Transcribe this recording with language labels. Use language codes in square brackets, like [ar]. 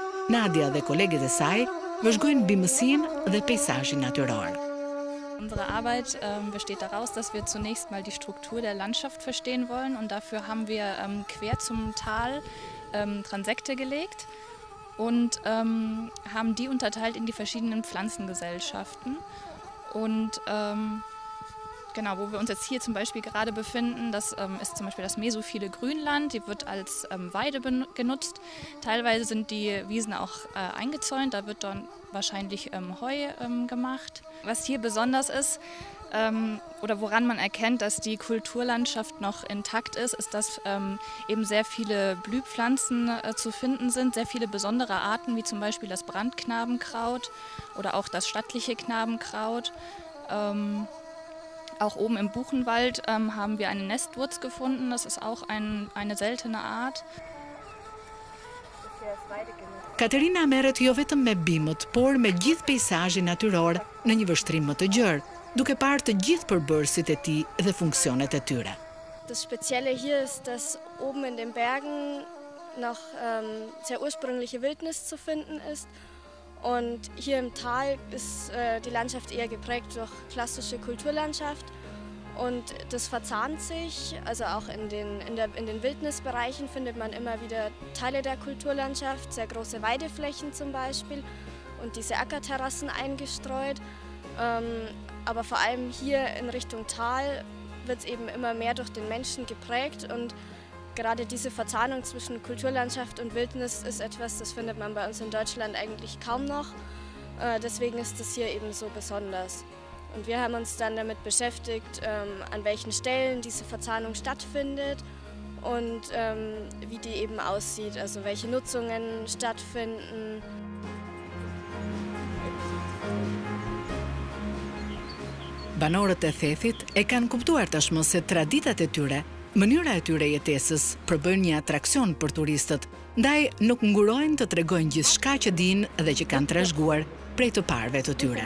[sq] Nadia dhe kolegët e saj vëzhgojnë bimësinë dhe peisazhin natyror. [de] Unsere Arbeit besteht daraus, dass wir zunächst mal die Struktur der Landschaft verstehen wollen und dafür haben wir quer zum Tal Transekte gelegt und haben die unterteilt in die verschiedenen Pflanzengesellschaften. Und genau, wo wir uns jetzt hier zum Beispiel gerade befinden, das ist zum Beispiel das mesophile Grünland, die wird als Weide genutzt. Teilweise sind die Wiesen auch eingezäunt, da wird dann wahrscheinlich Heu gemacht. Was hier besonders ist, oder woran man erkennt, dass die Kulturlandschaft noch intakt ist, ist, dass eben sehr viele Blühpflanzen zu finden sind, sehr viele besondere Arten, wie zum Beispiel das Brandknabenkraut oder auch das stattliche Knabenkraut. Auch oben im Buchenwald haben wir eine Nestwurz gefunden, das ist auch eine seltene Art. [sq] Katerina merret jo vetëm me bimët, por me gjithë peisazhin natyror në një vështrim më të gjerë, duke parë të gjithë përbërësit e tij dhe funksionet e tyre. [de] Das spezielle hier ist, dass oben in den Bergen noch sehr ursprüngliche Wildnis zu finden ist und hier im Tal ist die Landschaft eher geprägt durch klassische Kulturlandschaft und das verzahnt sich, also auch in den Wildnisbereichen findet man immer wieder Teile der Kulturlandschaft, sehr große Weideflächen zum Beispiel und diese Ackerterrassen eingestreut. Aber vor allem hier in Richtung Tal wird es eben immer mehr durch den Menschen geprägt und gerade diese Verzahnung zwischen Kulturlandschaft und Wildnis ist etwas, das findet man bei uns in Deutschland eigentlich kaum noch. Deswegen ist das hier eben so besonders. Und wir haben uns dann damit beschäftigt, an welchen Stellen diese Verzahnung stattfindet und wie die eben aussieht, also welche Nutzungen stattfinden. [sq] Banorët e Thethit e kanë kuptuar tashmë se traditat e tyre Mënyra e tyre jetesës përbën një atraksion për turistët, ndaj nuk ngurojnë të tregojnë gjithçka që dinë dhe që kanë trashëguar prej të parëve të tyre.